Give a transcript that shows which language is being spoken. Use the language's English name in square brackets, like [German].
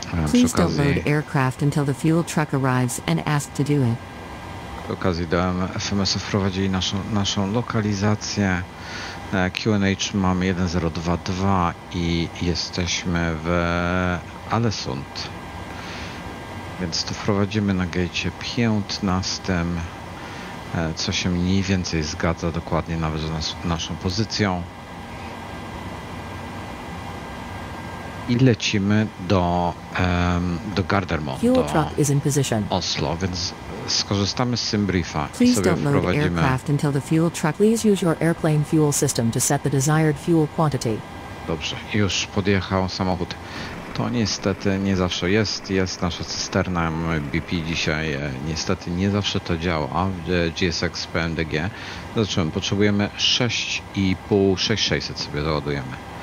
[English] Please don't load aircraft until the fuel truck arrives and asked to do it. [Polish] Przy okazji do SMS-ów wprowadzili naszą lokalizację. QNH mamy 1022 i jesteśmy w Lesund. Więc to wprowadzimy na gate 15, co się mniej więcej zgadza dokładnie nawet z naszą pozycją. I lecimy do Gardermoen, do Oslo, więc skorzystamy z Simbriefa i sobie wprowadzimy. [English] Please use your airplane fuel system to set the desired fuel quantity. [Polish] Dobrze, już podjechał samochód. To niestety nie zawsze jest nasza cysterna BP dzisiaj. Niestety nie zawsze to działa, a w GSX PMDG. Zobaczymy, potrzebujemy 6600 sobie załadujemy.